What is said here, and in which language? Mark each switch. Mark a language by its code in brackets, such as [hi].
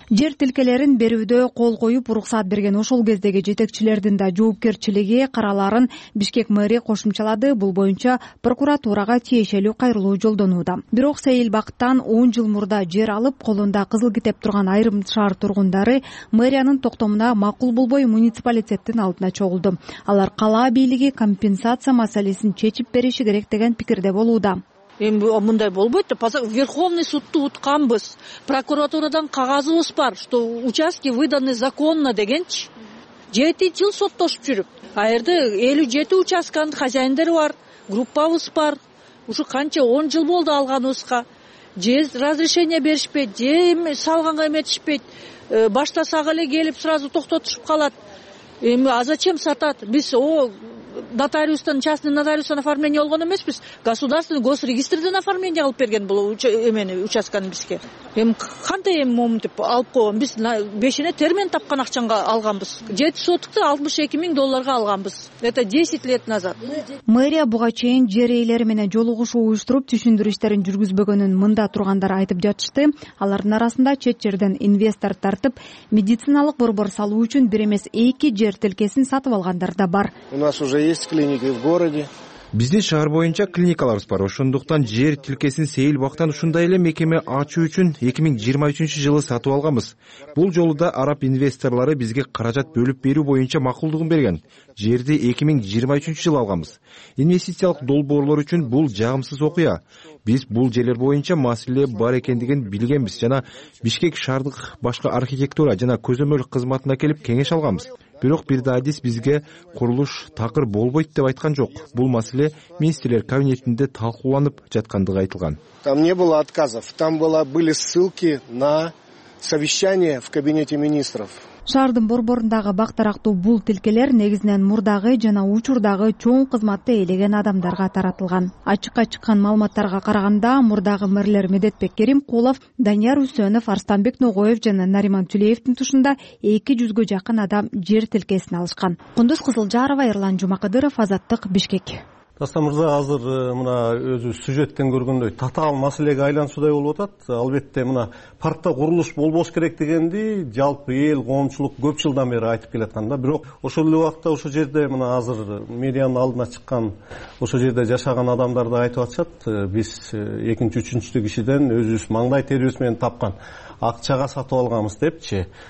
[ky] Жер тилкелерин берүүдө кол коюп уруксат берген ошол кездеги жетекчилердин да жоопкерчилиги караларын Бишкек мэри кошумчалады. Бул боюнча прокуратурага тиешелүү кайрылуу жолдонууда. Бирок Сейил Бактан 10 жыл мурда жер алып, колунда кызыл китеп турган айрым шаар тургундары мэриянын токтомуна макул болбой муниципалитеттин алдына чогулду. Алар калаа бийлиги компенсация маселесин чечип бериши керек деген пикирде болууда. Эми мындай болбойт да, Верховный судту утканбыз, прокуратурадан кагазыбыз бар, [ru] что участки выданы законно [ky] дегенчи. 7 жыл соттошуп жүрүп, айырды 57 участканын хозяиндери бар, группабыз бар. Ушу канча 10 жыл болду алганыбызга. Же разрешение беришпейт, же эми салганга эметишпейт. Баштасак эле келип сразу токтотушуп калат. Эми [ru] а зачем [ky] сатат? Биз нотариустан, частный нотариустан оформление алган эмеспиз, государственный госрегистрден оформление алып берген бул эмени участканы бизге. Эми кандай эми моментип алып койгон? Биз бешине термен тапкан акчага алганбыз. 7 сотукту 62 миң долларга алганбыз. [ru] Это 10 лет назад. [ky] Мэрия буга чейин жер ээлери менен жолугушуу уюштуруп түшүндүрүштөрүн жүргүзбөгөнүн мында тургандар айтып жатышты. Алардын арасында чет жерден инвестор тартып, медициналык борбор салуу үчүн бир эмес 2 жер тилкесин сатып алгандар да бар. [ru] У нас уже есть клиники в городе. [ky] Биздин шаар боюнча клиникаларыбыз бар. Ошондуктан жер тилкесин Сейил Бактан ушундай эле мекеме ачуу үчүн 2023 жылы сатып алганбыз. Бул жолу да араб инвесторлары бизге каражат бөлүп берүү боюнча макулдугун берген. Жерди 2023 жылы алганбыз. Инвестициялык долбоорлор үчүн бул жагымсыз окуя. Биз бул жерлер боюнча маселе бар экендигин билгенбиз жана Бишкек шаардык башкы архитектура жана көзөмөл кызматына келип кеңеш алганбыз. Бирок бир дадис бизге курулуш такыр болбойт деп айткан жок. Бул маселе министрлер кабинетинде талкууланып жаткандыгы айтылган. [ru] Там не было отказов, там были ссылки на совещание в кабинете министров. [ky] Шаардын борборундагы бактарактуу бул тилкелер негизинен мурдагы жана учурдагы чоң кызматты ээлеген адамдарга таратылган. Ачыкка чыккан маалыматтарга караганда мурдагы мэрлер Медетбек Керимкулов, Данияр Үсөнов, Арстанбек Ногоев жана Нариман Түлеевдин тушунда 200 жакын адам жер тилкесин алышкан. Кундуз Кызылжарова, Эрлан Жумакадыров, Азаттык, Бишкек. Дастан мырза, азыр мына өзү сюжеттен көргөндөй татаал маселеге айлансуудай болуп атат. Албетте мына паркта курулуш болбош керек дегенди жалпы эл коомчулук көп жылдан бери айтып келаткан да. Бирок ошол эле убакта ошол жерде мына азыр медианын алдына чыккан ошол жерде жашаган адамдар да айтып атышат, биз 2-3 кишиден өзүбүз маңдай терибиз менен тапкан акчага сатып алганбыз депчи.